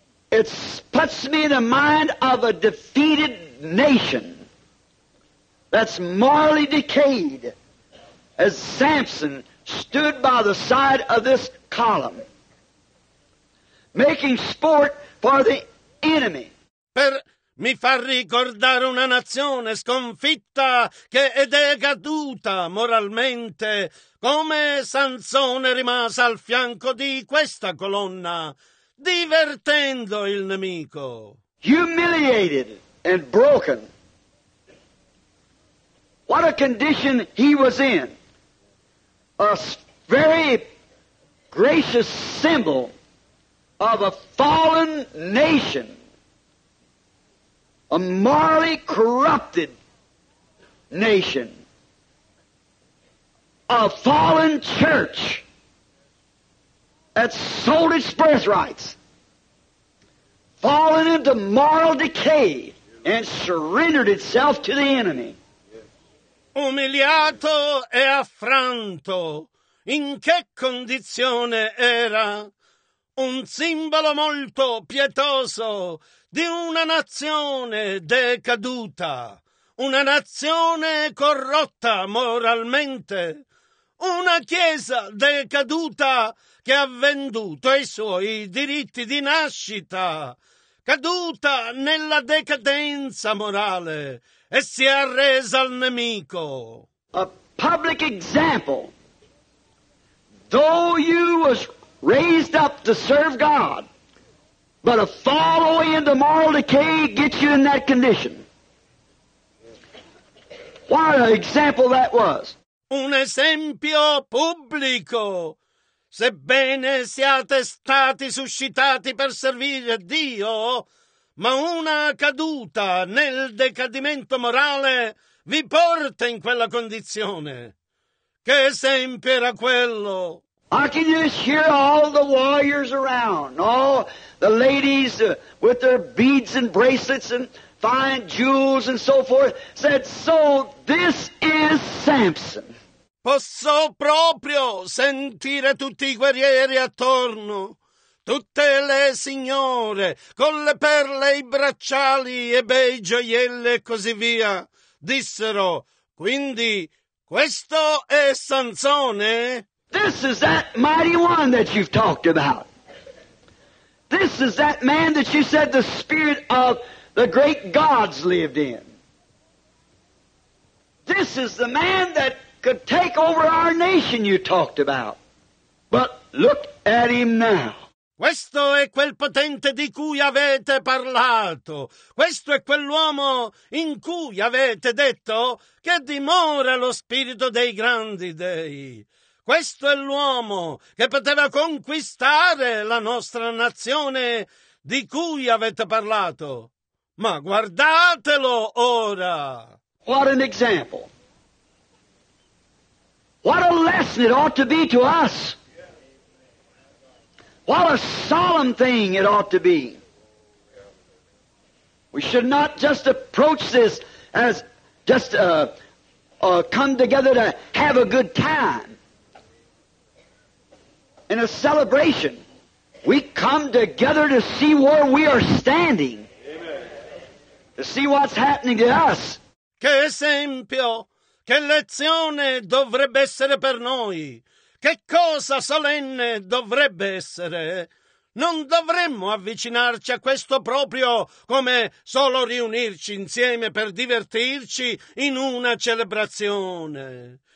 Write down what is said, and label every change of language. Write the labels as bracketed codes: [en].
[en] It puts me in the mind of a defeated nation that's morally decayed as Samson stood by the side of this column, making sport for the enemy. [it] Per mi fa ricordare una nazione sconfitta che è decaduta moralmente, come Sansone rimase al fianco di questa colonna, divertendo il nemico. [en] Humiliated and broken. What a condition he was in. A very gracious symbol of a fallen nation. A morally corrupted nation. A fallen church that sold its birthrights, fallen into moral decay, and surrendered itself to the enemy. [it] Umiliato e affranto, in che condizione era? Un simbolo molto pietoso di una nazione decaduta, una nazione corrotta moralmente. Una chiesa decaduta che ha venduto i suoi diritti di nascita, caduta nella decadenza morale e si è arresa al nemico. [en] A public example. Though you was raised up to serve God, but a fall away into moral decay gets you in that condition. What an example that was. [it] Un esempio pubblico. Sebbene siate stati suscitati per servire Dio, ma una caduta nel decadimento morale vi porta in quella condizione. Che esempio era quello? [en] I can just hear all the warriors around, all the ladies with their beads and bracelets and fine jewels and so forth, said, so this is Samson. [it] Posso proprio sentire tutti i guerrieri attorno, tutte le signore con le perle, i bracciali e bei gioielli e così via, dissero, quindi questo è Sansone? [en] This is that mighty one that you've talked about. This is that man that you said the spirit of the great gods lived in. This is the man that could take over our nation you talked about. But look at him now. [it] Questo è quel potente di cui avete parlato. Questo è quell'uomo in cui avete detto che dimora lo spirito dei grandi dei. Questo è l'uomo che poteva conquistare la nostra nazione di cui avete parlato. Ma guardatelo ora! [en] What an example! What a lesson it ought to be to us! What a solemn thing it ought to be! We should not just approach this as just come together to have a good time. In a celebration, we come together to see where we are standing. Amen. To see what's happening to us. [it] Che esempio, che lezione dovrebbe essere per noi? Che cosa solenne dovrebbe essere? Non dovremmo avvicinarci a questo proprio come solo riunirci insieme per divertirci in una celebrazione.